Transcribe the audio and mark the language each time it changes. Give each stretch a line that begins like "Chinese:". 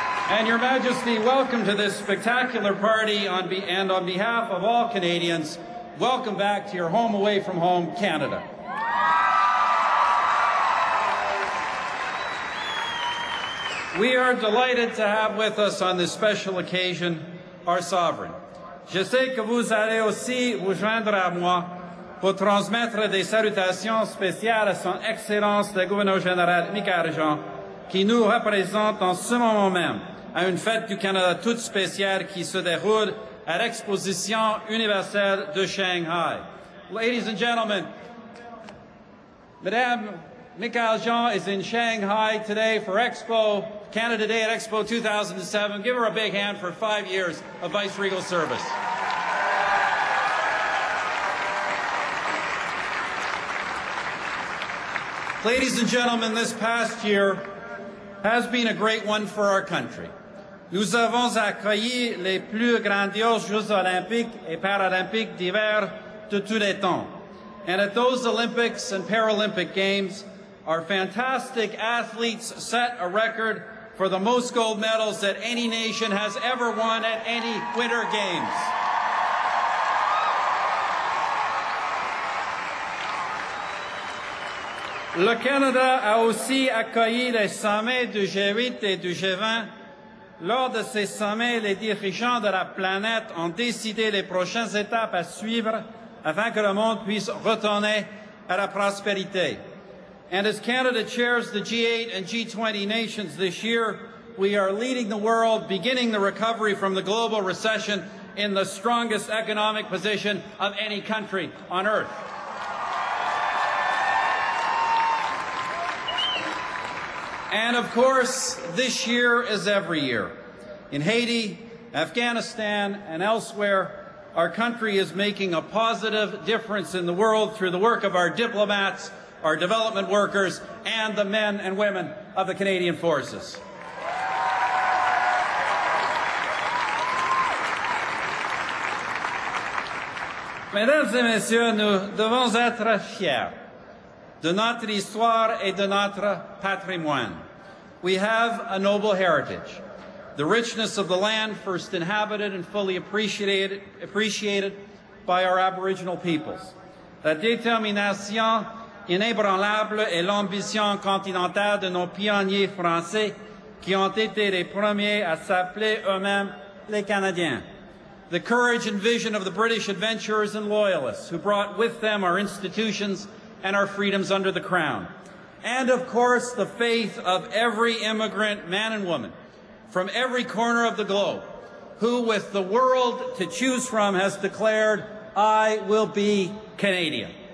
English: And Your Majesty, welcome to this spectacular party on behalf of all Canadians, welcome back to your home away from home, Canada. We are delighted to have with us on this special occasion our sovereign.
French: Je sais que vous allez aussi vous joindre à moi pour transmettre des salutations spéciales à son Excellence le Gouverneur Général Micargent, qui nous représente en ce moment même à une fête du Canada toute spéciale qui se déroule à l'Exposition universelle de Shanghai.
English: Ladies and gentlemen, Madame Micargent is in Shanghai today for Expo, Canada Day at Expo 2007. Give her a big hand for 5 years of viceregal service. Ladies and gentlemen, this past year has been a great one for our country.
French: Nous avons accueilli les plus grandioses Jeux olympiques et paralympiques d'hiver de tous les temps.
English: And at those Olympics and Paralympic Games, our fantastic athletes set a record for the most gold medals that any nation has ever won at any Winter Games.
French: Le Canada a aussi accueilli les sommets du G8 et du G20. Lors de ces sommets, les dirigeants de la planète ont décidé les prochaines étapes à suivre afin que le monde puisse retourner à la prospérité.
English: And as Canada chairs the G8 and G20 nations this year, we are leading the world, beginning the recovery from the global recession in the strongest economic position of any country on earth. And of course, this year is every year. In Haiti, Afghanistan, and elsewhere, our country is making a positive difference in the world through the work of our diplomats, our development workers, and the men and women of the Canadian Forces.
French: Mesdames et messieurs, nous devons être fiers de notre histoire et de notre patrimoine.
English: We have a noble heritage, the richness of the land first inhabited and fully appreciated by our Aboriginal peoples.
French: La détermination inébranlable et l'ambition continentale de nos pionniers français qui ont été les premiers à s'appeler eux-mêmes les Canadiens.
English: The courage and vision of the British adventurers and loyalists who brought with them our institutions and our freedoms under the crown. And of course, the faith of every immigrant man and woman from every corner of the globe who, with the world to choose from, has declared, I will be Canadian.